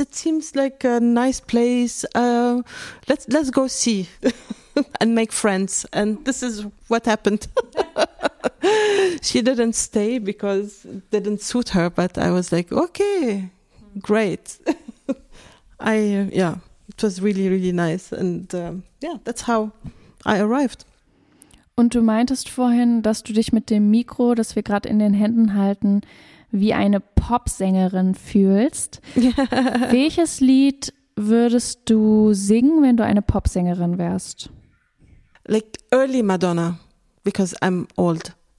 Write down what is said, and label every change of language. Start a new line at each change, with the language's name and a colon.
English: It seems like a nice place. Let's go see and make friends. And this is what happened. She didn't stay because it didn't suit her, but I was like, okay, great. It was really, really nice. And that's how I arrived.
German: Und du meintest vorhin, dass du dich mit dem Mikro, das wir gerade in den Händen halten, wie eine Popsängerin fühlst. Welches Lied würdest du singen, wenn du eine Popsängerin wärst?
English: Like early Madonna, because I'm old.